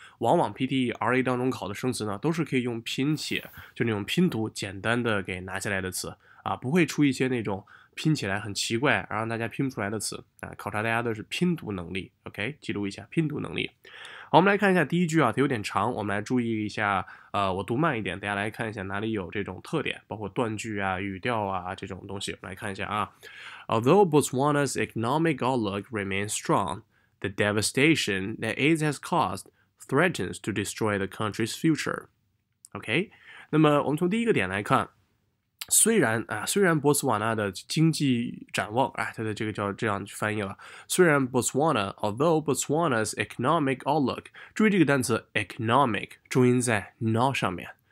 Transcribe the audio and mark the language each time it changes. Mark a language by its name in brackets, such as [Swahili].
[Chinese] 往往 PTE、RA 当中考的生词呢，都是可以用拼写，就那种拼读简单的给拿下来的词啊，不会出一些那种拼起来很奇怪，让大家拼不出来的词啊，考察大家的是拼读能力 ，OK， 记录一下拼读能力。好，我们来看一下第一句啊，它有点长，我们来注意一下，我读慢一点，大家来看一下哪里有这种特点，包括断句啊、语调啊这种东西，我们来看一下啊。 [English] Although Botswana's economic outlook remains strong, the devastation that AIDS has caused threatens to destroy the country's future. [Chinese] OK， 那么我们从第一个点来看。虽然博茨瓦纳的经济展望啊，它的这个叫这样去翻译了。虽然 Botswana， [English] although Botswana's economic outlook， [Chinese] 注意这个单词 economic， 重音在 na 上面。